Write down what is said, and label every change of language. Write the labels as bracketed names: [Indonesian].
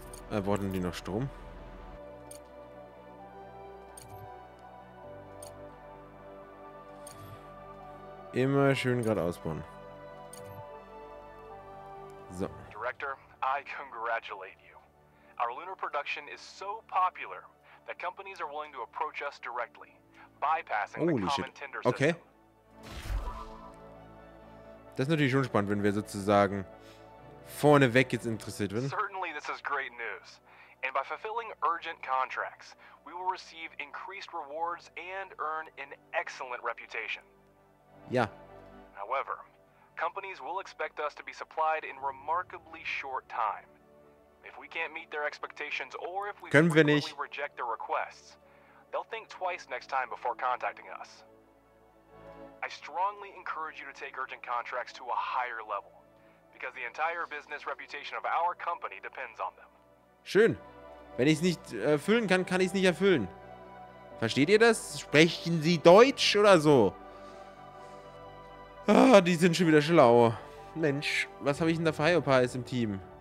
[German] Brauchen die noch Strom? Immer schön gerade ausbauen. So. [English] Director, I congratulate you. Our lunar production is so popular that companies are willing to approach us directly, bypassing the common tender system. Okay. [German] Das ist natürlich schon spannend, wenn wir sozusagen vorneweg jetzt interessiert werden. [English] Certainly this is great news. And by fulfilling urgent contracts, we will receive increased rewards and earn an excellent reputation. [German] Ja. [English] However, companies will expect us to be supplied in remarkably short time. If we can't meet their expectations or if we frequently reject their requests, they'll think twice next time before contacting us. I strongly encourage you to take urgent contracts to a higher level, because the entire business reputation of our company depends on them. [German] Schön. Wenn ich es nicht erfüllen kann, kann ich es nicht erfüllen. Versteht ihr das? Sprechen Sie Deutsch oder so? Ah, die sind schon wieder schlau. Mensch, was habe ich denn da für Hyopais im Team?